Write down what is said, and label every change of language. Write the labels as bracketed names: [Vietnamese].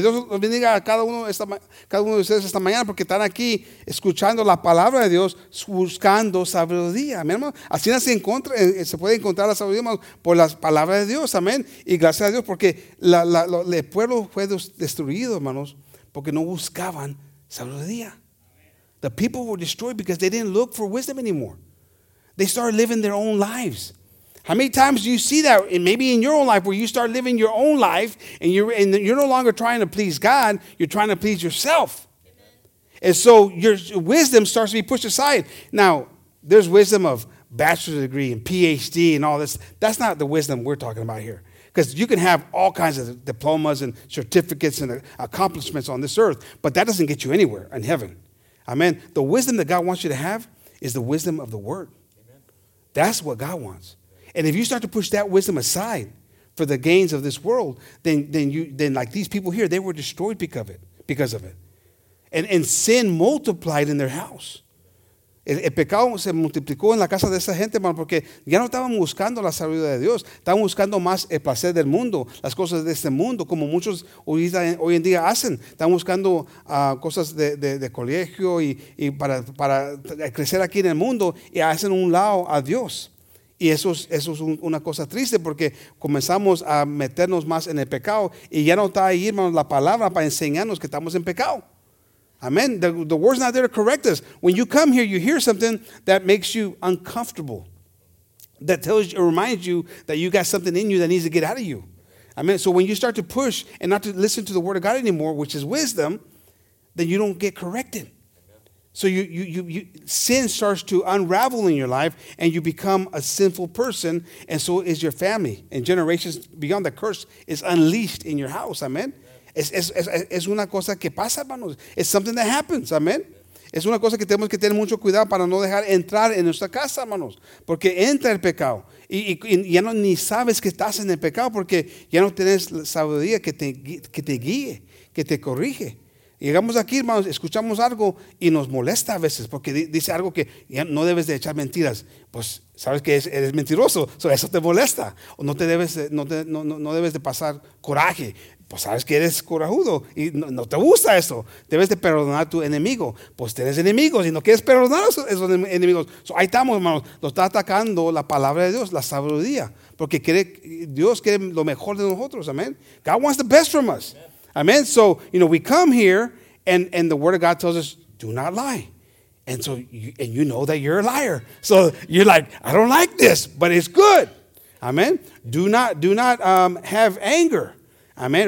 [Spanish] Dios bendiga a cada uno de ustedes esta mañana porque están aquí escuchando la palabra de Dios, buscando sabiduría. Amén, hermano. Así se puede encontrar la sabiduría, hermano, por las palabras de Dios. Amén. Y gracias a Dios porque el pueblo fue destruido, hermanos, porque no buscaban sabiduría. [English] The people were destroyed because they didn't look for wisdom anymore. They started living their own lives. How many times do you see that, and maybe in your own life, where you start living your own life, and you're no longer trying to please God, you're trying to please yourself. Amen. And so your wisdom starts to be pushed aside. Now, there's wisdom of bachelor's degree and PhD and all this. That's not the wisdom we're talking about here. Because you can have all kinds of diplomas and certificates and accomplishments on this earth, but that doesn't get you anywhere in heaven. Amen. The wisdom that God wants you to have is the wisdom of the Word. That's what God wants. And if you start to push that wisdom aside for the gains of this world, then like these people here, they were destroyed because of it. And sin multiplied in their house. [Spanish] El pecado se multiplicó en la casa de esa gente, hermano, porque ya no estaban buscando la sabiduría de Dios. Estaban buscando más el placer del mundo, las cosas de este mundo, como muchos hoy en día hacen. Están buscando cosas de colegio y para crecer aquí en el mundo y hacen un lado a Dios. Y eso es una cosa triste porque comenzamos a meternos más en el pecado y ya no está ahí, hermano, la palabra para enseñarnos que estamos en pecado. [English] Amen. The word's not there to correct us. When you come here, you hear something that makes you uncomfortable, that tells you, reminds you that you got something in you that needs to get out of you. Amen. So when you start to push and not to listen to the word of God anymore, which is wisdom, then you don't get corrected. So you sin starts to unravel in your life, and you become a sinful person, and so is your family. And generations beyond, the curse is unleashed in your house. [Spanish] Amen. Es una cosa que pasa, hermanos. [English] It's something that happens, amen. [Spanish] Es una cosa que tenemos que tener mucho cuidado para no dejar entrar en nuestra casa, hermanos. Porque entra el pecado. Y ya no ni sabes que estás en el pecado porque ya no tienes sabiduría que te guíe, que te corrige. Llegamos aquí, hermanos, escuchamos algo y nos molesta a veces porque dice algo que ya no debes de echar mentiras. Pues sabes que eres mentiroso, so eso te molesta. O no debes de pasar coraje. Pues sabes que eres corajudo y no te gusta eso. Debes de perdonar a tu enemigo. Pues tienes enemigos y no quieres perdonar a esos enemigos. So ahí estamos, hermanos. Nos está atacando la palabra de Dios, la sabiduría. Porque Dios quiere lo mejor de nosotros. Amen. [English] God wants the best from us. [Spanish] Amen. [English] So, you know, we come here and the word of God tells us, do not lie. And so you know that you're a liar. So you're like, I don't like this, but it's good. Amen. Do not have anger. Amen.